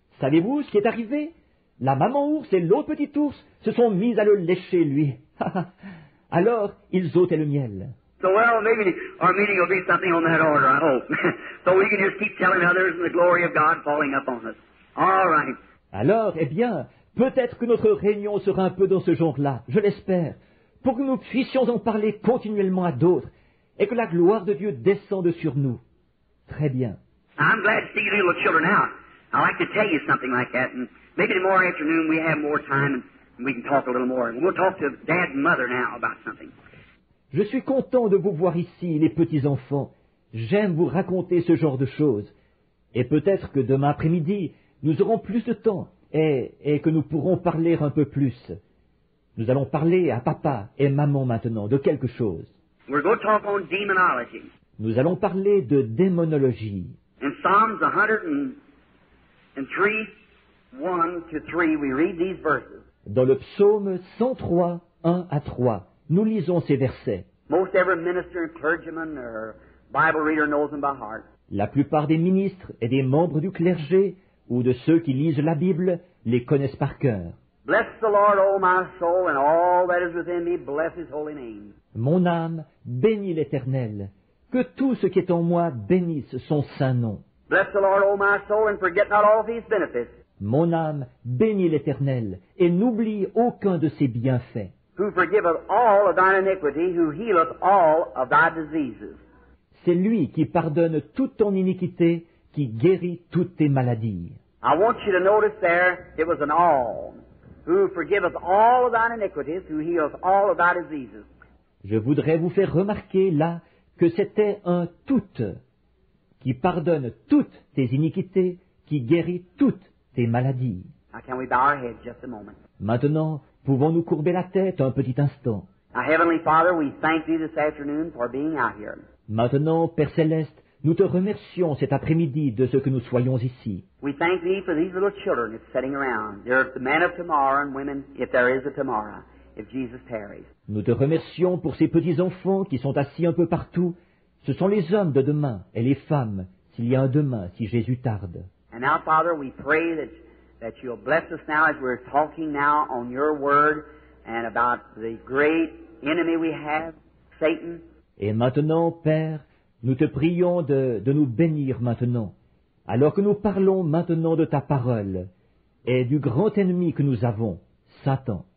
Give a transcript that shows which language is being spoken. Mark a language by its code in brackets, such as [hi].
[fr] Savez-vous ce qui est arrivé? La maman ours et l'autre petit ours se sont mis à le lécher, lui. Alors, ils ôtaient le miel. [en] So well, maybe our meeting will be something on that order, I hope. So we can just keep telling others and the glory of God falling upon us. All right. [fr] Alors, eh bien, peut-être que notre réunion sera un peu dans ce genre-là, je l'espère, pour que nous puissions en parler continuellement à d'autres et que la gloire de Dieu descende sur nous. Très bien. [en] I'm glad to see you little children out. I like to tell you something like that. And maybe tomorrow afternoon we have more time and we can talk a little more. And we'll talk to Dad and Mother now about something. [fr] Je suis content de vous voir ici, les petits-enfants. J'aime vous raconter ce genre de choses. Et peut-être que demain après-midi, nous aurons plus de temps et que nous pourrons parler un peu plus. Nous allons parler à papa et maman maintenant de quelque chose. [en] We're going to talk on demonology. [fr] Nous allons parler de démonologie. [en] In Psalms 103, 1-3, we read these verses. [fr] Dans le psaume 103, 1 à 3, nous lisons ces versets. [en] Most every minister, clergyman, or Bible reader knows them by heart. [fr] La plupart des ministres et des membres du clergé ou de ceux qui lisent la Bible les connaissent par cœur. [en] Bless the Lord, O my soul, and all that is within me, bless his holy name. [fr] Mon âme, bénis l'Éternel. Que tout ce qui est en moi bénisse son saint nom. [en] Bless the Lord, O my soul, and forget not all these benefits. [fr] Mon âme, bénis l'Éternel, et n'oublie aucun de ses bienfaits. [en] Who forgiveth all of thine iniquity, who healeth all of thy diseases. [fr] C'est lui qui pardonne toute ton iniquité, qui guérit toutes tes maladies. [en] I want you to notice there, it was an all. Who forgiveth all of thine iniquities, who healeth all of thy diseases. [fr] Je voudrais vous faire remarquer là que c'était un tout qui pardonne toutes tes iniquités, qui guérit toutes tes maladies. [en] Now, can we bow our heads just a moment? [fr] Maintenant, pouvons-nous courber la tête un petit instant? [en] Now, Heavenly Father, we thank thee this afternoon for being out here. [fr] Maintenant, Père Céleste, nous te remercions cet après-midi de ce que nous soyons ici. [en] We thank thee for these little children that's sitting around. They're the men of tomorrow and women, if there is a tomorrow, if Jesus tarries. [fr] Nous te remercions pour ces petits-enfants qui sont assis un peu partout. Ce sont les hommes de demain et les femmes, s'il y a un demain, si Jésus tarde. [en] And now, Father, we pray that you'll bless us now as we're talking now on your word and about the great enemy we have, Satan. [fr] Et maintenant, Père, nous te prions de nous bénir maintenant, alors que nous parlons maintenant de ta parole et du grand ennemi que nous avons, Satan.